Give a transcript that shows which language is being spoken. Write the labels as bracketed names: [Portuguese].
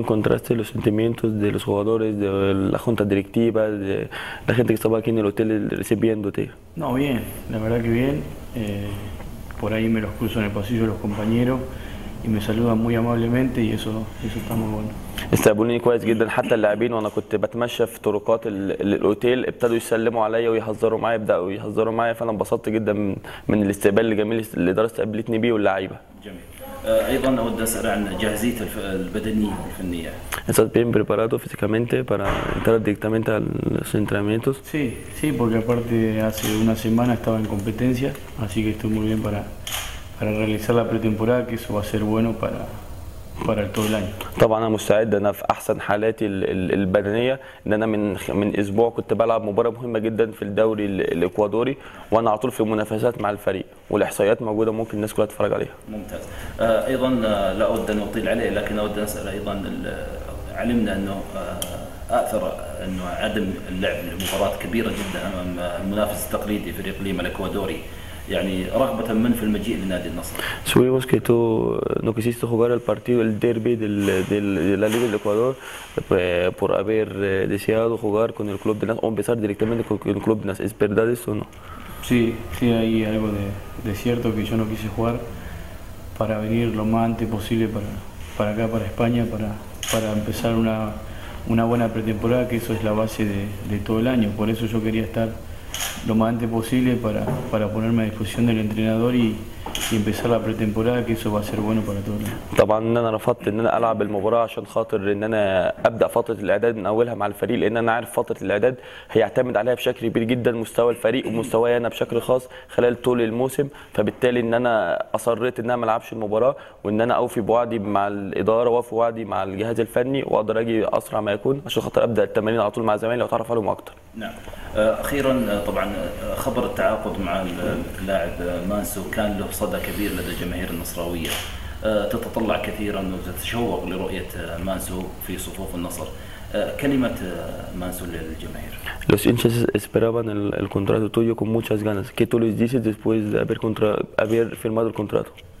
[Spanish] Como contraste los sentimientos de los jugadores, de la junta directiva, de la gente que estaba aquí en el hotel recibiéndote. No, bien, la verdad que bien. Por ahí me los cruzo en el pasillo los compañeros y me saludan muy amablemente y eso está muy bueno. [Arabic] استقبلوني كويس جدا، حتى اللاعبين وانا كنت بتمشى في طرقات الاوتيل ابتدوا يسلموا عليا ويهزروا معايا، ابداوا يهزروا معايا، فانا انبسطت جدا من الاستقبال الجميل اللي درست قابلتني بيه واللعيبه. جميل. ايضا اود اسال عن جاهزيته البدنيه والفنيه. [Spanish] ¿Estás bien preparado físicamente para entrar directamente a los entrenamientos? Sí, sí, porque aparte hace una semana estaba en competencia, así que estoy muy bien para realizar la pretemporada, que eso va a ser bueno para todo el año. [Arabic] طبعا انا مستعد، انا في احسن حالاتي البدنيه، ان انا من اسبوع كنت بلعب مباراه مهمه جدا في الدوري الاكوادوري، وانا على طول في منافسات مع الفريق، والاحصائيات موجوده ممكن الناس كلها تتفرج عليها. ممتاز. ايضا لا اود ان اطيل عليه، لكن اود ان اسال ايضا، علمنا انه اثر انه عدم اللعب لمباراه كبيره جدا امام المنافس التقليدي فريق ليما الاكوادوري، يعني رغبة من في المجيء لنادي النصر؟ [Spanish] Supimos que tú no quisiste jugar el partido, el derby de la Liga del Ecuador por haber deseado jugar con el club de Nasr o empezar directamente con el club de Nasr. ¿Es verdad eso o no? Sí, sí, hay algo de cierto que yo no quise jugar para venir lo más antes posible para acá, para España, para empezar una buena pretemporada, que eso es la base de todo el año. Por eso yo quería estar lo más antes posible para ponerme a disposición del entrenador y empezar la pretemporada, que eso va a ser bueno para todos. [Arabic] طبعا ان انا رفضت ان انا العب المباراه عشان خاطر ان انا ابدا فتره الاعداد من اولها مع الفريق، لان انا عارف فتره الاعداد هيعتمد عليها بشكل كبير جدا مستوى الفريق ومستواي انا بشكل خاص خلال طول الموسم. فبالتالي ان انا اصريت ان انا ما العبش المباراه، وان انا اوفي بوعدي مع الاداره واوفي بوعدي مع الجهاز الفني، واقدر اجي اسرع ما يكون عشان خاطر ابدا التمارين على طول مع زمايلي واتعرف عليهم اكتر. نعم، اخيرا طبعا خبر التعاقد مع اللاعب مانسو كان له صدى كبير لدى الجماهير النصراويه، تتطلع كثيرا وتتشوق لرؤيه مانسو في صفوف النصر. كلمه مانسو للجماهير. [Spanish] Los hinchas esperaban el contrato tuyo con muchas ganas. ¿Qué tú les dices después de haber firmado el contrato?